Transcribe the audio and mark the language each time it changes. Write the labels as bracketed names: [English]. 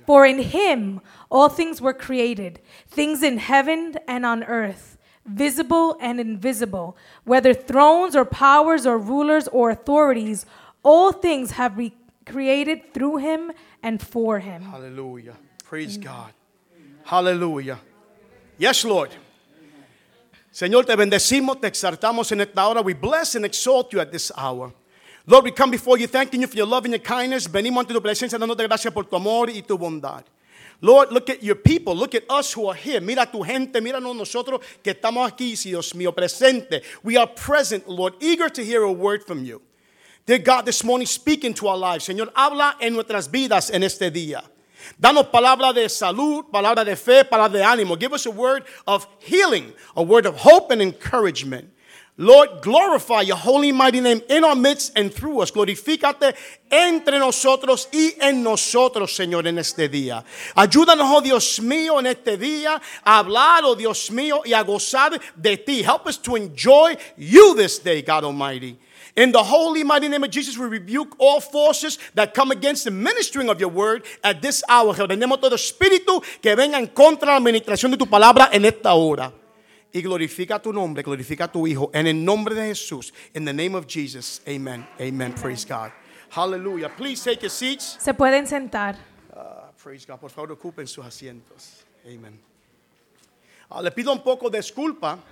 [English] For in him all things were created, things in heaven and on earth, visible and invisible, whether thrones or powers or rulers or authorities, all things have created through him and for him. Hallelujah. Praise Amen. God. Hallelujah. Yes, Lord. [Spanish] Señor, te bendecimos, te exaltamos en esta hora. [English] We bless and exalt you at this hour. Lord, we come before you thanking you for your love and your kindness. [Spanish] Venimos ante tu presencia dándote gracias por tu amor y tu bondad. [English] Lord, look at your people. Look at us who are here. [Spanish] Mira tu gente. Míranos nosotros que estamos aquí, si Dios mío, presente. [English] We are present, Lord, eager to hear a word from you. Dear God, this morning, speak into our lives. [Spanish] Señor, habla en nuestras vidas en este día. Danos palabra de salud, palabra de fe, palabra de ánimo. [English] Give us a word of healing, a word of hope and encouragement. Lord, glorify your holy mighty name in our midst and through us. [Spanish] Glorifícate entre nosotros y en nosotros, Señor, en este día. Ayúdanos, oh Dios mío, en este día a hablar, oh Dios mío, y a gozar de ti. [English] Help us to enjoy you this day, God Almighty. In the holy mighty name of Jesus, we rebuke all forces that come against the ministering of your word at this hour. [Spanish] Reprendemos todo espíritu que venga en contra de la administración de tu palabra en esta hora. Y glorifica tu nombre, glorifica tu hijo. En el nombre de Jesús, [English] in the name of Jesus, [Spanish] amen, amen, amen. [English] Praise God. [Spanish] Hallelujah. [English] Please take your seats. [Spanish] Se pueden sentar. [English] Praise God. [Spanish] Por favor, ocupen sus asientos. Amen. Le pido un poco de disculpa.